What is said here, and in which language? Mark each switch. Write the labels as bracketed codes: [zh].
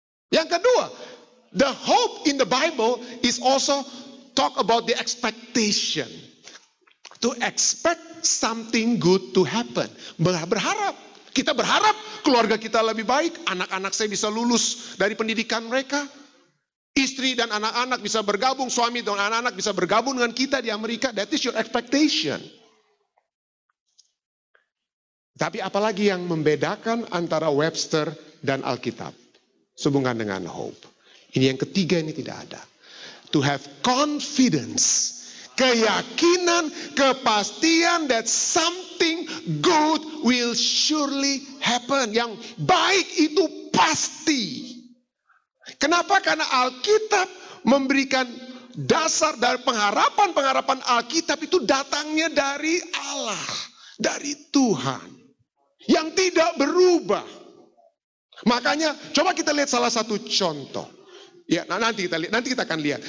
[id] Yang kedua, [en] the hope in the Bible is also talk about the expectation. To expect something good to happen. [id] Berharap. Kita berharap keluarga kita lebih baik. Anak-anak saya bisa lulus dari pendidikan mereka. Istri dan anak-anak bisa bergabung. Suami dan anak-anak bisa bergabung dengan kita di Amerika. [en] That is your expectation. [id] Tapi apalagi yang membedakan antara Webster dan Alkitab. Sehubungan dengan hope. Ini yang ketiga ini tidak ada. [en] To have confidence. [id] Keyakinan, kepastian [en] that something good will surely happen. [id] Yang baik itu pasti. Kenapa? Karena Alkitab memberikan dasar dari pengharapan-pengharapan Alkitab itu datangnya dari Allah. Dari Tuhan. Yang tidak berubah. Makanya coba kita lihat salah satu contoh. Ya, nanti kita akan lihat.